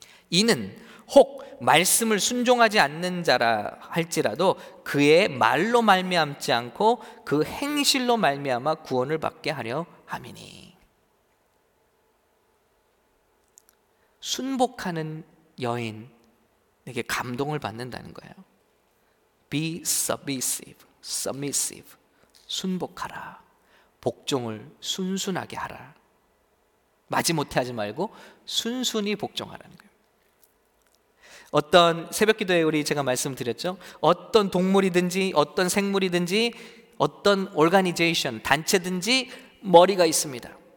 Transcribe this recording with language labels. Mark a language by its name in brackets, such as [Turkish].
[Korean] 이는 혹 말씀을 순종하지 않는 자라 할지라도 그의 말로 말미암지 않고 그 행실로 말미암아 구원을 받게 하려 함이니. 순복하는 여인에게 감동을 받는다는 거예요. [English] Be submissive, submissive. [Korean] 순복하라. 복종을 순순하게 하라. 마지못해 하지 말고 순순히 복종하라는 거예요. 어떤 새벽기도에 우리 제가 말씀드렸죠. 어떤 동물이든지 어떤 생물이든지 어떤 오르가니제이션 단체든지 머리가 있습니다.